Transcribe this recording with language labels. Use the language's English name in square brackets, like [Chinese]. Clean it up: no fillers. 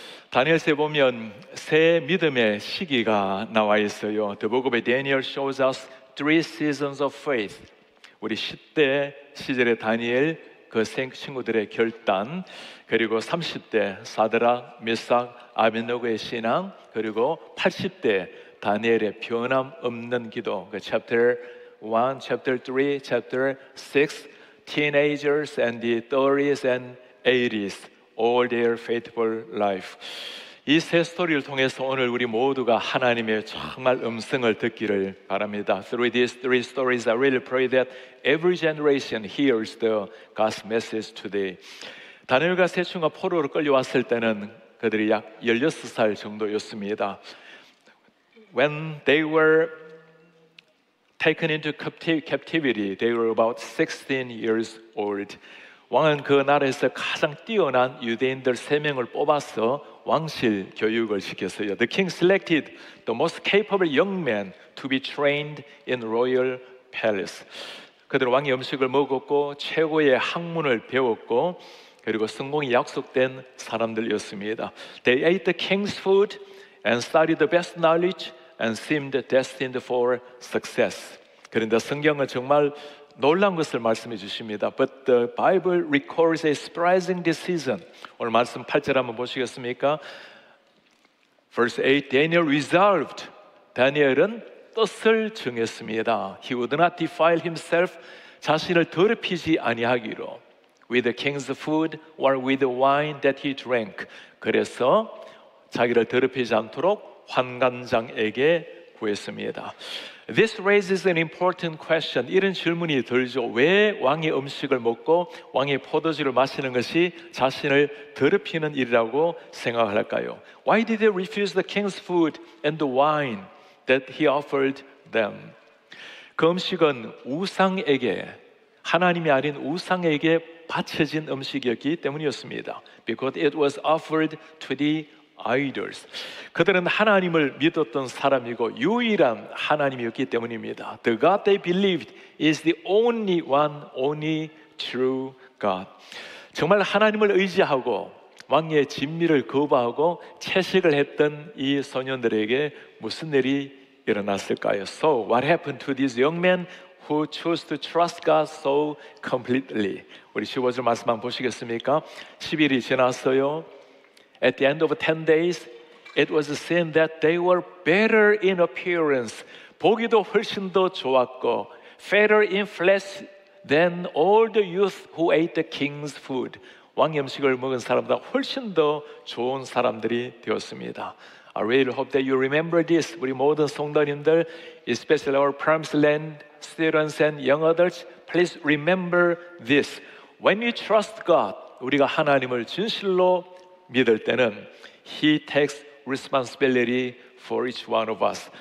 [Korean] 다니엘서 보면 세 믿음의 시기가 나와 있어요. [English] The book of Daniel shows us three seasons of faith. [Korean] 우리 10대 시절의 다니엘, 그 친구들의 결단, 그리고 30대 사드락, 메삭, 아벳느고의 신앙, 그리고 80대 다니엘의 변함없는 기도. [English] 그 chapter 1, chapter 3, chapter 6, teenagers and the 30s and 80s. All their faithful life. [Korean] 이 세 스토리를 통해서 오늘 우리 모두가 하나님의 정말 음성을 듣기를 바랍니다. [English] Through these three stories, I really pray that every generation hears the God's message today. [Korean] 다니엘과 세 친구가 포로로 끌려왔을 때는 그들이 약 16살 정도였습니다. [English] When they were taken into captivity, they were about 16 years old. [Korean] 왕은 그 나라에서 가장 뛰어난 유대인들 3명을 뽑아서 왕실 교육을 시켰어요. [English] The king selected the most capable young men to be trained in royal palace. [Korean] 그들은 왕의 음식을 먹었고 최고의 학문을 배웠고 그리고 성공이 약속된 사람들이었습니다. [English] They ate the king's food and studied the best knowledge and seemed destined for success. [Korean] 그런데 성경은 정말 놀란 것을 말씀해 주십니다. But the Bible records a surprising decision. 오늘 말씀 8절 한번 보시겠습니까? [English] Verse 8, Daniel resolved. [Korean] 다니엘은 뜻을 정했습니다. [English] He would not defile himself, [Korean] 자신을 더럽히지 아니하기로. [English] With the king's food or with the wine that he drank. [Korean] 그래서 자기를 더럽히지 않도록 환관장에게 구했습니다. [English] This raises an important question. [Korean] 이런 질문이 들죠. 왜 왕의 음식을 먹고 왕의 포도주를 마시는 것이 자신을 더럽히는 일이라고 생각할까요? [English] Why did they refuse the king's food and the wine that he offered them? [Korean] 그 음식은 우상에게, 하나님이 아닌 우상에게 바쳐진 음식이었기 때문이었습니다. [English] Because it was offered to the idols. [Korean] 그들은 하나님을 믿었던 사람이고 유일한 하나님이었기 때문입니다. [English] The God they believed is the only one, only true God. [Korean] 정말 하나님을 의지하고 왕의 진미를 거부하고 채식을 했던 이 소년들에게 무슨 일이 일어났을까요? [English] So what happened to these young men who chose to trust God so completely? [Korean] 우리 15절 말씀 한번 보시겠습니까? 10일이 지났어요. [English] At the end of 10 days, it was seen that they were better in appearance. [Korean] 보기도 훨씬 더 좋았고, [English] fairer in flesh than all the youth who ate the king's food. [Korean] 왕의 음식을 먹은 사람보다 훨씬 더 좋은 사람들이 되었습니다. [English] I really hope that you remember this. [Korean] 우리 모든 성도님들, [English] especially our Promised Land students and young adults, please remember this. When you trust God, [Korean] 우리가 하나님을 진실로 믿을 때는 [English] He takes responsibility for each one of us.